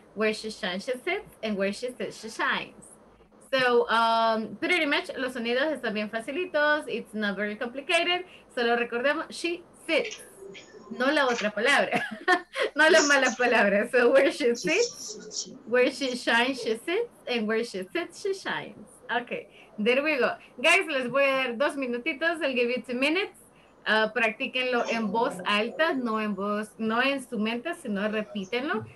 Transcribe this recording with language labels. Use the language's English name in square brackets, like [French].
[English] Where she shines, she sits, and where she sits, she shines. So pretty much [Spanish] los sonidos están bien facilitos. [English] It's not very complicated. [Spanish] Solo recordemos, [English] she sits. [Spanish] No la otra palabra. No la mala palabra. [English] So where she sits, where she shines, she sits, and where she sits, she shines. Okay, there we go. Guys, [Spanish] les voy a dar 2 minutitos. [English] I'll give you 2 minutes. [Spanish] Practíquenlo en voz alta, no en su mente, sino repítenlo.